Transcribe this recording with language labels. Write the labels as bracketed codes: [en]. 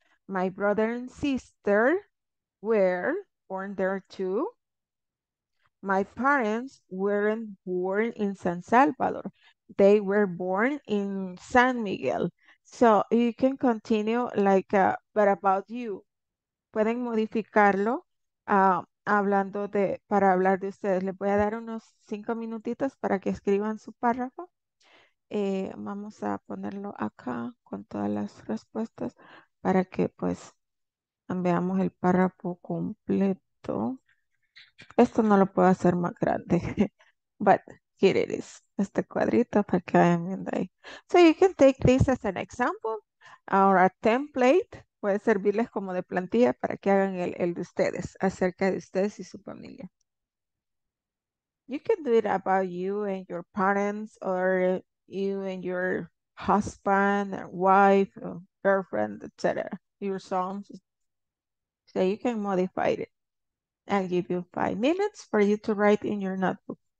[en] My brother and sister were born there too. My parents weren't born in San Salvador. They were born in San Miguel. So you can continue like, but about you. [es] Pueden modificarlo hablando de, para hablar de ustedes. Les voy a dar unos 5 minutitos para que escriban su párrafo. Vamos a ponerlo acá con todas las respuestas para que pues veamos el párrafo completo. Esto no lo puedo hacer más grande. [en] But here it is. [es] Este cuadrito para que vayan viendo ahí. [en] So you can take this as an example or a template. [es] Puede servirles como de plantilla para que hagan el de ustedes, acerca de ustedes y su familia. [en] You can do it about you and your parents, or you and your husband, or wife, or girlfriend, etc. Your sons. So you can modify it. I'll give you 5 minutes for you to write in your notebook.